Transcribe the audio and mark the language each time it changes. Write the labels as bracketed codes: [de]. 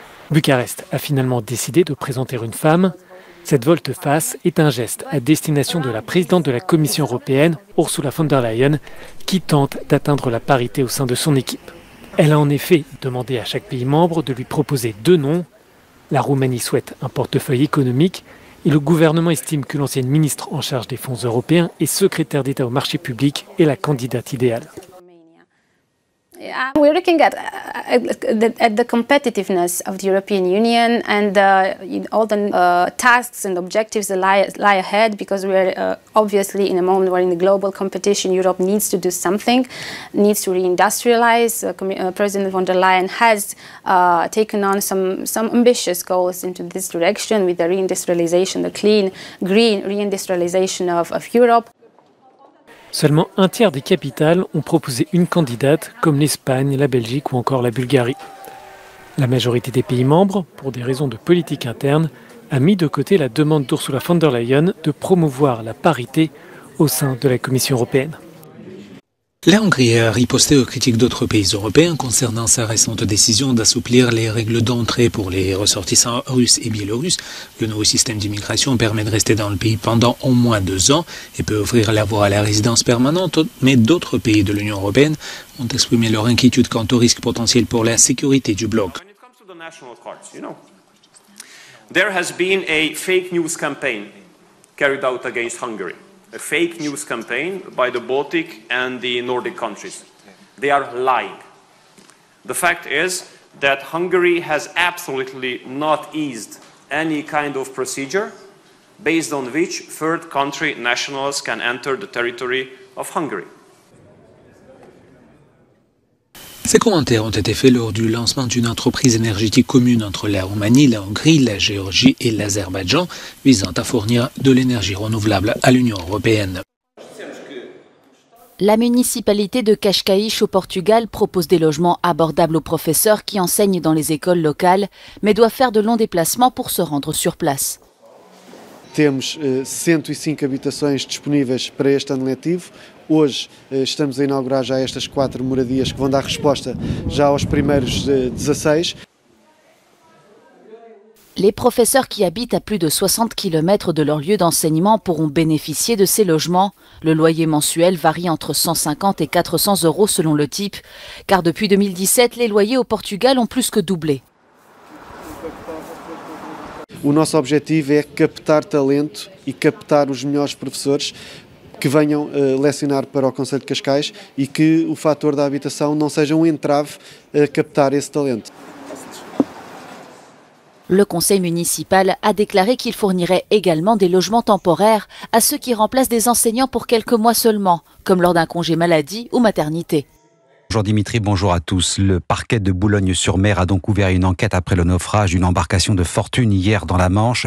[fr] Bucarest a finalement décidé de présenter une femme. Cette volte-face est un geste à destination de la présidente de la Commission européenne, Ursula von der Leyen, qui tente d'atteindre la parité au sein de son équipe. Elle a en effet demandé à chaque pays membre de lui proposer deux noms. La Roumanie souhaite un portefeuille économique Et le gouvernement estime que l'ancienne ministre en charge des fonds européens et secrétaire d'État au marché public est la candidate idéale. [en] We're looking at the competitiveness of the European Union and all the tasks and objectives that lie ahead, because we're obviously in a moment where in the global competition Europe needs to do something, needs to reindustrialize. President von der Leyen has taken on some ambitious goals into this direction with the reindustrialization, the clean, green reindustrialization of Europe. [fr] Seulement un tiers des capitales ont proposé une candidate, comme l'Espagne, la Belgique ou encore la Bulgarie. La majorité des pays membres, pour des raisons de politique interne, a mis de côté la demande d'Ursula von der Leyen de promouvoir la parité au sein de la Commission européenne. La Hongrie a riposté aux critiques d'autres pays européens concernant sa récente décision d'assouplir les règles d'entrée pour les ressortissants russes et biélorusses. Le nouveau système d'immigration permet de rester dans le pays pendant au moins 2 ans et peut ouvrir la voie à la résidence permanente, mais d'autres pays de l'Union européenne ont exprimé leur inquiétude quant au risque potentiel pour la sécurité du bloc. [en] There has been a fake news campaign carried out against Hungary. A fake news campaign by the Baltic and the Nordic countries. They are lying. The fact is that Hungary has absolutely not eased any kind of procedure based on which third country nationals can enter the territory of Hungary. [fr] Ces commentaires ont été faits lors du lancement d'une entreprise énergétique commune entre la Roumanie, la Hongrie, la Géorgie et l'Azerbaïdjan, visant à fournir de l'énergie renouvelable à l'Union européenne. La municipalité de Cascais au Portugal propose des logements abordables aux professeurs qui enseignent dans les écoles locales, mais doit faire de longs déplacements pour se rendre sur place. [pt] Temos 105 habitações disponíveis para este ano letivo. Hoje estamos a inaugurar já estas 4 moradias que vão dar resposta já aos primeiros 16. [fr] Les professeurs qui habitent à plus de 60 km de leur lieu d'enseignement pourront bénéficier de ces logements. Le loyer mensuel varie entre 150 et 400 euros selon le type, car depuis 2017, les loyers au Portugal ont plus que doublé. [pt] O nosso objetivo é captar talento e captar os melhores professores que venham lecionar para o Conselho de Cascais e que o fator da habitação não seja um entrave a captar esse talento. [fr] Le conseil municipal a déclaré qu'il fournirait également des logements temporaires à ceux qui remplacent des enseignants pour quelques mois seulement, comme lors d'un congé maladie ou maternité. Bonjour Dimitri, bonjour à tous. Le parquet de Boulogne-sur-Mer a donc ouvert une enquête après le naufrage d'une embarcation de fortune hier dans la Manche.